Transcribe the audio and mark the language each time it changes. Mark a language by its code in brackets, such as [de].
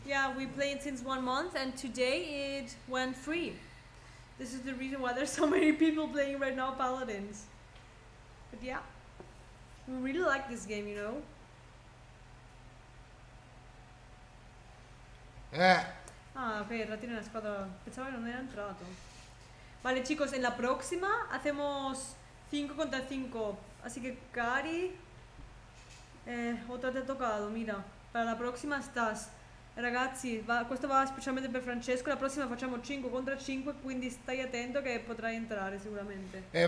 [en] yeah, we played since 1 month, and today it went free. This is the reason why there's so many people playing right now Paladins. But yeah, we really like this game, you know? [it] Ah, ok, Ratti nella squadra, pensavo che non era entrato. [es] Vale, chicos, en la próxima hacemos 5 contra 5. Así que, Cari, otra te ha tocado, mira. Para la próxima estás. [it] Ragazzi, questo va specialmente per Francesco. La prossima facciamo 5 contro 5, quindi stai attento che potrai entrare sicuramente.